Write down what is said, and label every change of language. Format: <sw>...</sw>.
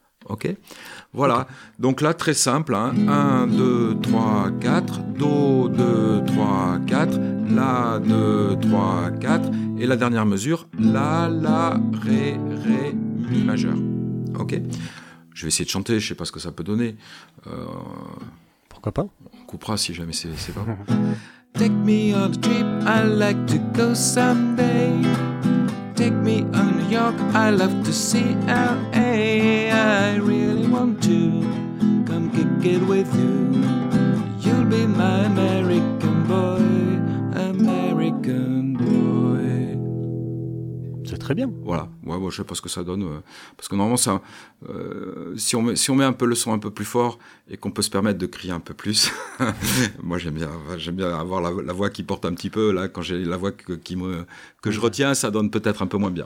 <fr>Ok, voilà, donc là très simple, hein. 1, 2, 3, 4, Do, 2, 3, 4, La, 2, 3, 4, et la dernière mesure, La, La, Ré, Ré, Mi majeur. Ok, je vais essayer de chanter, je ne sais pas ce que ça peut donner. Pourquoi pas? On coupera si jamais c'est pas bon.</fr> <en>Take me on a trip, I like to go someday. Take me on New York, I love to see L.A. I really want to come kick it with you. You'll be my American boy, American boy.</en> <fr>C'est très bien. Voilà, ouais, bon, je sais pas ce que ça donne. Parce que normalement, si on met un peu le son un peu plus fort et qu'on peut se permettre de crier un peu plus, moi j'aime bien avoir la voix qui porte un petit peu. Là, quand j'ai la voix que je retiens, ça donne peut-être un peu moins bien.</fr>